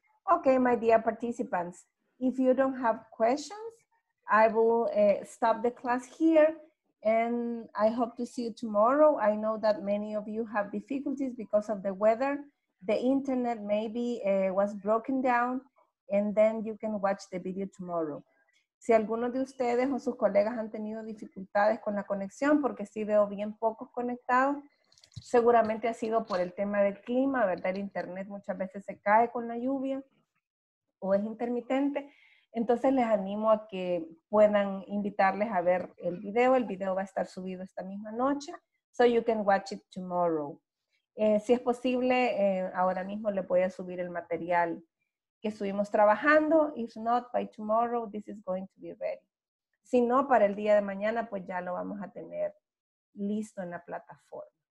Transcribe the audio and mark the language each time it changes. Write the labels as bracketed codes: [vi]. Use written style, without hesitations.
[en] Okay, my dear participants, if you don't have questions, I will stop the class here and I hope to see you tomorrow. I know that many of you have difficulties because of the weather. The internet maybe was broken down and then you can watch the video tomorrow. [es] Si alguno de ustedes o sus colegas han tenido dificultades con la conexión, porque sí veo bien pocos conectados, seguramente ha sido por el tema del clima, ¿verdad? El internet muchas veces se cae con la lluvia o es intermitente. Entonces les animo a que puedan invitarles a ver el video. El video va a estar subido esta misma noche. [en] So you can watch it tomorrow. [es] Si es posible, ahora mismo le voy a subir el material que estuvimos trabajando. [en] If not, by tomorrow, this is going to be ready. [es] Si no, para el día de mañana, pues ya lo vamos a tener listo en la plataforma.